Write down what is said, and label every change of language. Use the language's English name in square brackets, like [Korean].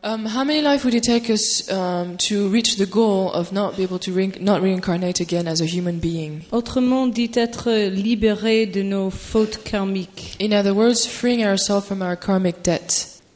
[English] How many lives would it take us to reach the goal of not be able to not reincarnate again as a human being? [French] Autrement dit, être libéré de nos fautes karmiques. [English] In other words, freeing ourselves from our karmic debt.